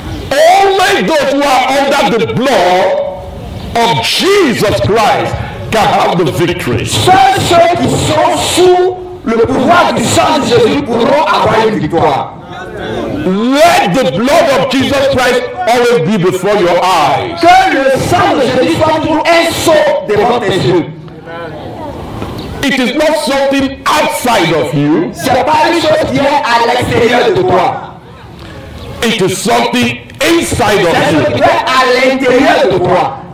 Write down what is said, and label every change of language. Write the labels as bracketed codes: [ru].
[en] Only those who are under the blood of Jesus Christ can have the victory. [fr] Ceux qui sont sous le pouvoir du sang de Jésus pourront avoir une victoire. [en] Let the blood of Jesus Christ always be before your eyes. [fr] Que le sang de Jésus soit pour un saut devant tes yeux. [en] It is not something outside of you. [fr] Ce n'est pas une chose qui est à l'extérieur de toi. [en] It is something inside of you. [fr] C'est ce qui est à l'intérieur de toi.